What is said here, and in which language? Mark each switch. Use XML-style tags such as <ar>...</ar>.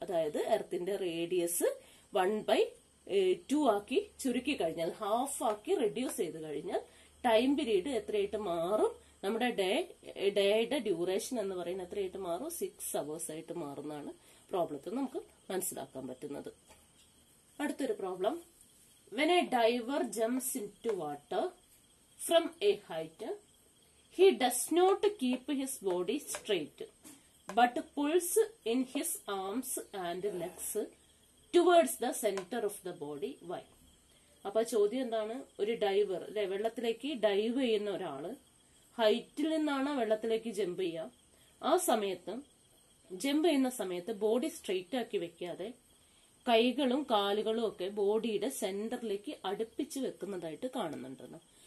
<ml>അതായത് എർത്തിന്റെ റേഡിയസ് 1/2 ആക്കി ചുരുക്കി കഴിഞ്ഞാൽ, ഹാഫ് ആക്കി റെഡ്യൂസ് ചെയ്ത് കഴിഞ്ഞാൽ ടൈം പീരീഡ് എത്രയായിട്ട് മാറും? നമ്മുടെ ഡേയുടെ ഡ്യൂറേഷൻ എന്ന് പറയുന്നത് എത്രയായിട്ട് മാറും? 6 hours ആയിട്ട് മാറുന്നതാണ് പ്രോബ്ലത്തിൽ നമുക്ക് മനസ്സിലാക്കാൻ പറ്റുന്നത്. അടുത്തൊരു problem,</ml> <en>When a diver jumps into water from a height, he does not keep his body straight, but pulls in his arms and legs towards the center of the body. Why?</en> <ml>അപ്പൊ ചോദ്യം എന്താണ്? ഒരു diver അല്ലെ, വെള്ളത്തിലേക്ക് dive ചെയ്യുന്ന ഒരാള് ഹൈറ്റിൽ നിന്നാണ് വെള്ളത്തിലേക്ക് ജമ്പ് ചെയ്യുക. ആ സമയത്ത് ജമ്പ് ചെയ്യുന്ന സമയത്ത് ബോഡി സ്ട്രെയിറ്റ് ആക്കി വെക്കാതെ കൈകളും കാലുകളും ഒക്കെ ബോഡിയുടെ സെന്ററിലേക്ക് അടുപ്പിച്ച് വെക്കുന്നതായിട്ട് കാണുന്നുണ്ടെന്ന്.</ml>